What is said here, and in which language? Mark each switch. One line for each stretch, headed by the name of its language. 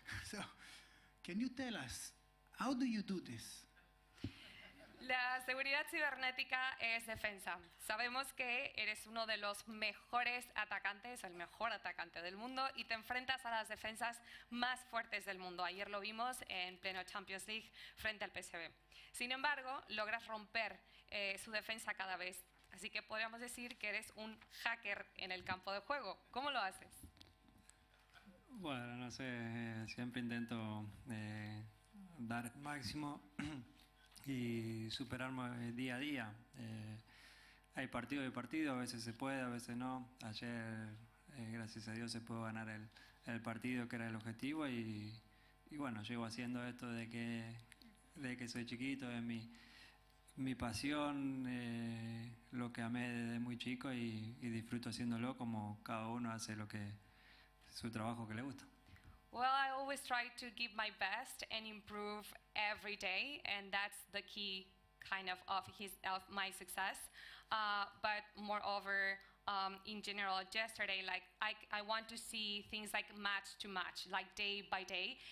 English: So can you tell us, how do you do this?
Spanish: La seguridad cibernética es defensa. Sabemos que eres uno de los mejores atacantes, el mejor atacante del mundo, y te enfrentas a las defensas más fuertes del mundo. Ayer lo vimos en pleno Champions League frente al PSV. Sin embargo, logras romper su defensa cada vez. Así que podríamos decir que eres un hacker en el campo de juego. ¿Cómo lo haces? Bueno, no sé. Siempre intento dar máximo y superarme día a día. Hay partido y partido, a veces se puede, a veces no. Ayer, gracias a Dios, se pudo ganar el partido, que era el objetivo, y bueno, llevo haciendo esto de que soy chiquito, es mi pasión, lo que amé desde muy chico, y disfruto haciéndolo como cada uno hace lo que su trabajo que le gusta.
English: Well, I always try to give my best and improve every day, and that's the key kind of my success. But moreover, in general, yesterday, like I want to see things like match to match, like day by day.